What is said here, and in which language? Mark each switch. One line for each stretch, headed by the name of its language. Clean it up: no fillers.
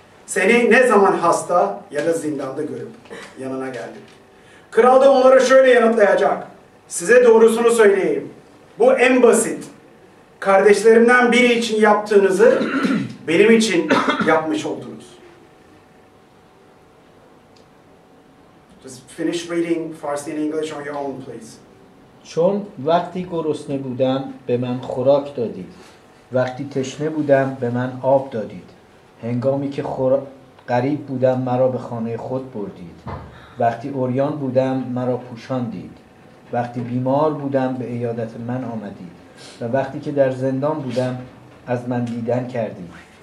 Turkish: Seni ne zaman hasta ya da zindanda görüp yanına geldik? Kral da onlara şöyle yanıtlayacak. Size doğrusunu söyleyeyim. Bu en basit. Kardeşlerimden biri için yaptığınızı benim için yapmış oldunuz.
English: Just finish reading Farsi and English on your own, please.
Persian: چون وقتی گرسنه بودم به من خوراک دادید. وقتی تشنه بودم به من آب دادید. هنگامی که غریب بودم مرا به خانه خود بردید. وقتی عریان بودم مرا پوشاندید. وقتی بیمار بودم به عیادت من آمدید و وقتی که در زندان بودم از من دیدن کردید.